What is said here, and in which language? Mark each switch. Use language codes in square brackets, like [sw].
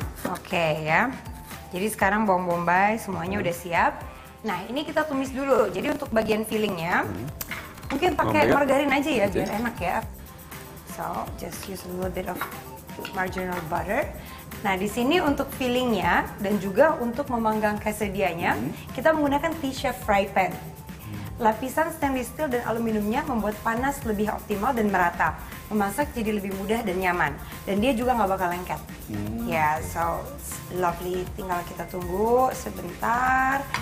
[id] Oke okay, ya. Jadi sekarang bawang bombay semuanya udah siap. Nah, ini kita tumis dulu. Jadi untuk bagian fillingnya, mungkin pakai margarin aja ya, biar enak ya. [en] So, just use a little bit of marginal butter. [id] Nah, di sini untuk fillingnya dan juga untuk memanggang quesadillanya, kita menggunakan T-shaped fry pan. Lapisan stainless steel dan aluminiumnya membuat panas lebih optimal dan merata. Memasak jadi lebih mudah dan nyaman. Dan dia juga nggak bakal lengket. [en] Yeah, so lovely. [id] Tinggal kita tunggu sebentar.